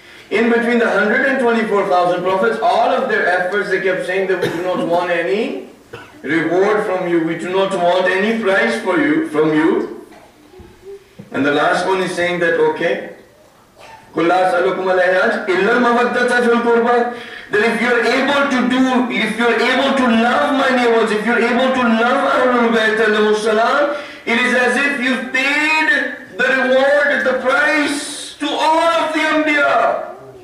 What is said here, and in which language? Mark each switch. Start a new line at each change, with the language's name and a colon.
English: In between the 124,000 prophets, all of their efforts, they kept saying that we do not want any reward from you. We do not want any price for you, from you. And the last one is saying that, okay,
Arabic: قُلْ لَا سَأَلُكُمْ عَلَيْهِ أَجْرًا إِلَّا الْمَوَدَّةَ فِي الْقُرْبَى.
English: That if you are able to do, if you are able to love my neighbors, if you are able to love Ahlul Bayt alayhi salam, it is as if you paid the reward, the price, to all of the Anbiya.